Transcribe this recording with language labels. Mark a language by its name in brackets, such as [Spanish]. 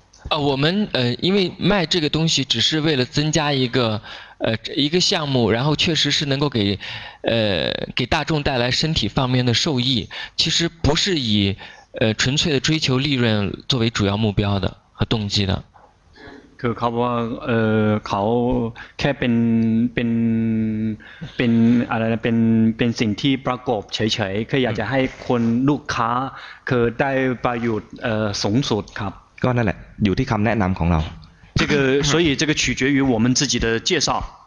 [Chinese] 我们因为卖这个东西只是为了增加一个一个项目，然后确实是能够给大众带来身体方面的受益，其实不是以纯粹的追求利润作为主要目标的和动机的。 [Thai] คือเขาบอกว่าเขาแค่เป็นอะไรนะเป็นสิ่งที่ประกอบเฉยๆคืออยากจะให้คนลูกค้าคือได้ประโยชน์สูงสุดครับ ก็นั่นแหละอยู่ที่คำแนะนำของเรา [Chinese] 这个所以这个取决于我们自己的介绍